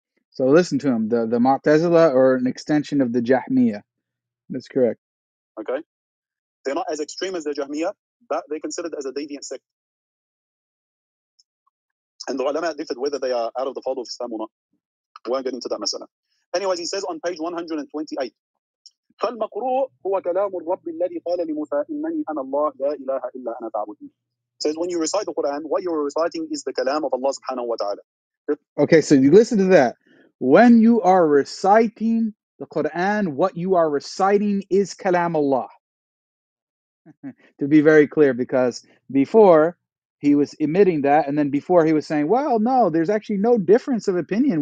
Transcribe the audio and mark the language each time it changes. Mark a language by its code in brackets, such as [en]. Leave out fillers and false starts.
[en] So listen to him. The Mu'tazila are an extension of the Jahmiyyah. That's correct. Okay. They're not as extreme as the Jahmiyyah, but they're considered as a deviant sect. And the ulama differed whether they are out of the fold of Islam or not. We won't get into that masala. Anyways, he says on page 128, [ar] فَالْمَقْرُوءُ هُوَ كَلَامُ الرَّبِّ الَّذِي قَالَ لِمُوسَىٰ إِنَّنِي أَنَا اللَّهُ لَا إِلَهَ إِلَّا أَنَا فَاعْبُدْنِي. [en] Says when you recite the Quran, what you're reciting is the kalam of Allah subhanahu wa ta'ala. Okay, so you listen to that. When you are reciting the Quran, what you are reciting is kalam Allah. To be very clear, because before he was admitting that, and then before he was saying, well, no, there's actually no difference of opinion.